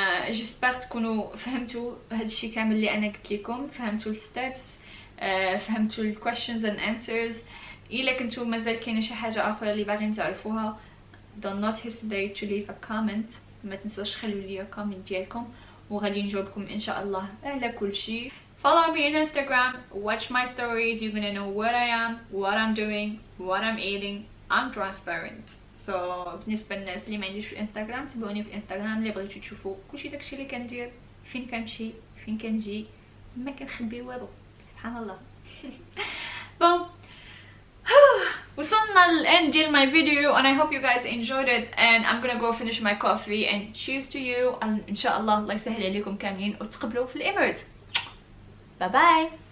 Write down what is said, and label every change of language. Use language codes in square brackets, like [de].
[ar] جيسبر تكونوا فهمتوا هادشي كامل اللي انا قلت لكم, فهمتوا الستبس, فهمتوا [en] الكويشنز and answers. [ar] الا كنتو مازال كاينه شي حاجه اخرى اللي باغين تعرفوها, [en] don't not hesitate to leave a comment, [ar] ما تنساوش خلوا لي كومنت ديالكم وغادي نجاوبكم ان شاء الله على كل شيء. [en] follow me on instagram, watch my stories, you're gonna know where I am, what I'm doing, what I'm eating, I'm transparent. [ar] So, بالنسبة للناس اللي ما عنديش في انستغرام, تبعوني في انستغرام اللي بغيتو تشوفوا كلشي داكشي اللي كندير, فين كنمشي, فين كنجي, ما كنخبي والو, سبحان الله. بون وصلنا للان ديال ماي فيديو [en] and I hope you guys enjoyed it and I'm gonna go finish my coffee and cheers to you and [ar] ان شاء الله الله يسهل عليكم كاملين وتقبلوا في الاميرات. باي باي.